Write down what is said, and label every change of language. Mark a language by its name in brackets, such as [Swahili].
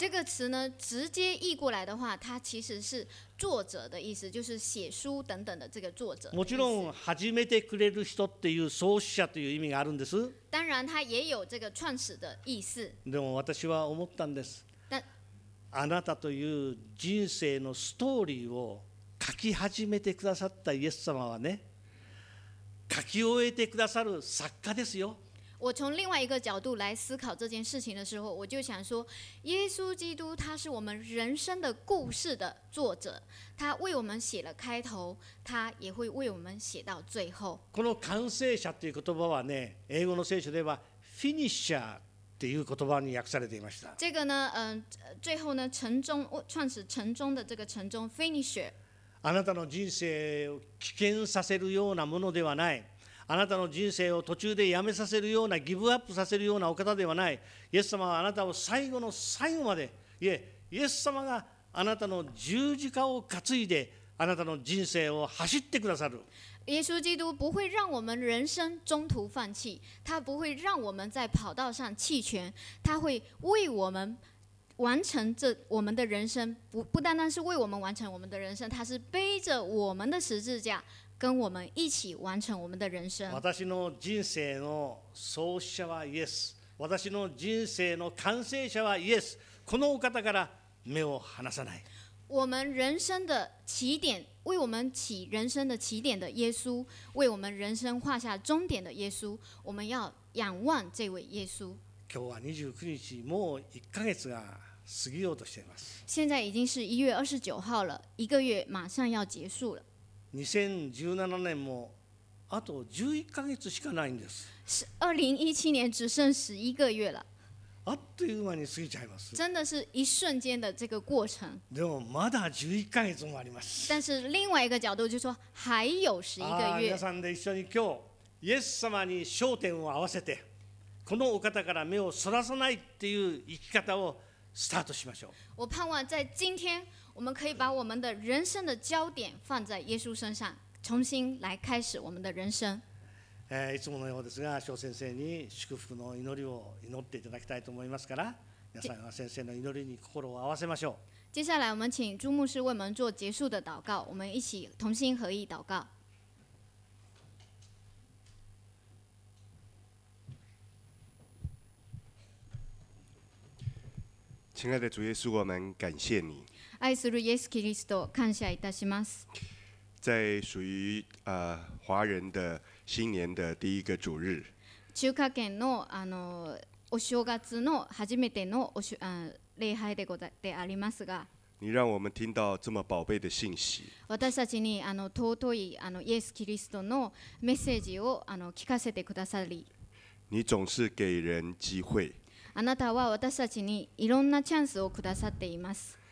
[Chinese] 这个词呢，直接译过来的话，它其实是作者的意思，就是写书等等的这个作者。 [Japanese] もちろん始めてくれる人っていう創始者という意味があるんです。 [Chinese] 当然，他也有这个创始的意思。 [Japanese] でも私は思ったんです。あなたという人生のストーリーを書き始めてくださったイエス様はね、書き終えてくださる作家ですよ。 [Chinese] 我从另外一个角度来思考这件事情的时候，我就想说，耶稣基督他是我们人生的故事的作者，他为我们写了开头，他也会为我们写到最后。 [Japanese] この完成者という言葉はね、英語の聖書ではフィニッシャーっていう言葉に訳されていました。 [Chinese] 这个呢，最后呢，成终，创始成终的这个成终 finisher。 [Japanese] あなたの人生を危険させるようなものではない。あなたの人生を途中でやめさせるような、ギブアップさせるようなお方ではない。イエス様はあなたを最後の最後まで、いえ、イエス様があなたの十字架を担いで、あなたの人生を走ってくださる。 [Chinese] 耶稣基督不会让我们人生中途放弃，他不会让我们在跑道上弃权，他会为我们完成这我们的人生，不单单是为我们完成我们的人生，他是背着我们的十字架，跟我们一起完成我们的人生。 [Japanese] 私の人生の創始者はイエス。私の人生の完成者はイエス。このお方から目を離さない。 [Chinese] 我们人生的起点，为我们起人生的起点的耶稣，为我们人生画下终点的耶稣，我们要仰望这位耶稣。 [Japanese] 今日は29日、もう1ヶ月が過ぎようとしています。 [Chinese] 现在已经是1月29号了，一个月马上要结束了。 [Japanese] 2017年もあと11ヶ月しかないんです。 [Chinese] 2017年只剩11个月了。 [Japanese] あっという間に過ぎちゃいます。 [Chinese] 真的是一瞬间的这个过程。 [Japanese] でもまだ11ヶ月もあります。 [Chinese] 但是另外一个角度就说还有11个月。 [Japanese] 皆さんで一緒に今日、イエス様に焦点を合わせて、このお方から目をそらさないっていう生き方をスタートしましょう。 [Chinese] 我盼望在今天，我们可以把我们的人生的焦点放在耶稣身上，重新来开始我们的人生。 [Japanese] いつものようですが、小先生に祝福の祈りを祈っていただきたいと思いますから、皆さんは先生の祈りに心を合わせましょう。 [Chinese] 接下来我们请朱牧师为我们做结束的祷告，我们一起同心合意祷告。亲爱的主耶稣，我们感谢你。 [Japanese] 爱するイエスキリスト、感謝いたします。 [Chinese] 在属于华人的新年的第一个主日。 [Japanese] 中華圏のあのお正月の初めてのおし礼拝でございでありますが。 [Chinese] 你让我们听到这么宝贝的信息。 [Japanese] 私たちにあの尊いあのイエスキリストのメッセージをあの聞かせてくださり。 [Chinese] 你总是给人机会。 [Japanese] あなたは私たちにいろんなチャンスをくださっています。